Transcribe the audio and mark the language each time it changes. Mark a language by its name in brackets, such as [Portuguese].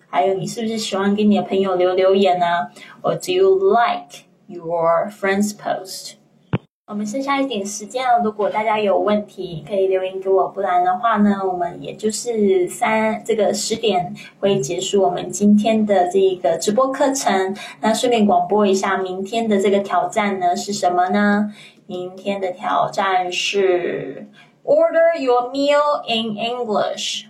[Chinese] 还有你是不是喜欢给你的朋友留言啊？ [English] Or do you like your friend's post? [Chinese] 我们剩下一点时间了，如果大家有问题可以留言给我，不然的话呢我们也就是10点会结束我们今天的这个直播课程。那顺便广播一下明天的这个挑战呢是什么呢，明天的挑战是 [English] Order your meal in English。